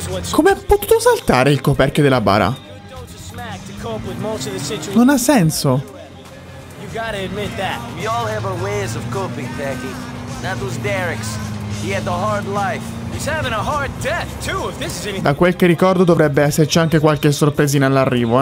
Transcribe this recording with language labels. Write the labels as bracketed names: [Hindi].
[Italian] Come ha potuto saltare il coperchio della bara? Non ha senso. [English] We all have our ways of coping, Becky. That was Derek's. He had a hard life. [Italian] Da quel che ricordo dovrebbe esserci anche qualche sorpresina all'arrivo,